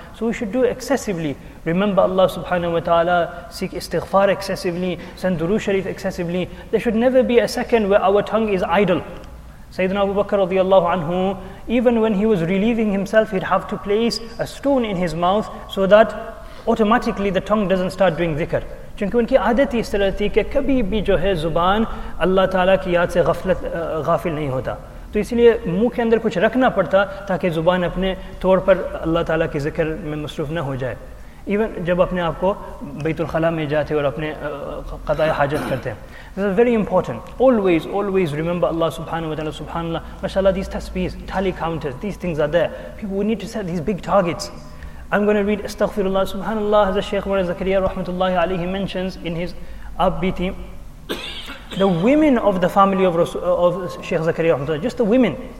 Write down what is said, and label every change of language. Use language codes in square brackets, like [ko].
[en] So we should do excessively. Remember Allah subhanahu wa ta'ala, seek istighfar excessively, send durood sharif excessively. There should never be a second where our tongue is idle. Sayyidina Abu Bakr radiallahu anhu, even when he was relieving himself, he'd have to place a stone in his mouth so that automatically the tongue doesn't start doing dhikr. [ur] کیونکہ ان کی عادت اس طرح تھی کہ کبھی بھی جو ہے زبان اللہ تعالیٰ کی یاد سے غفلت غافل نہیں ہوتا تو اس لیے منہ کے اندر کچھ رکھنا پڑتا تاکہ زبان اپنے طور پر اللہ تعالیٰ کے ذکر میں مصروف نہ ہو جائے. ایون جب اپنے آپ کو بیت الخلاء میں جاتے اور اپنے قضاء حاجت کرتے ہیں. [en] This is very important. Always, always remember Allah subhanahu wa ta'ala, subhanAllah. MashaAllah, these tasbihs, tally counters, these things are there. People, we need to set these big targets. I'm going to read Astaghfirullah, subhanAllah, as the Shaykh Mawlana Zakariya rahmatullahi alayhi mentions in his upbeat theme. The women of the family of Shaykh Zakariya rahmatullahi, just the women.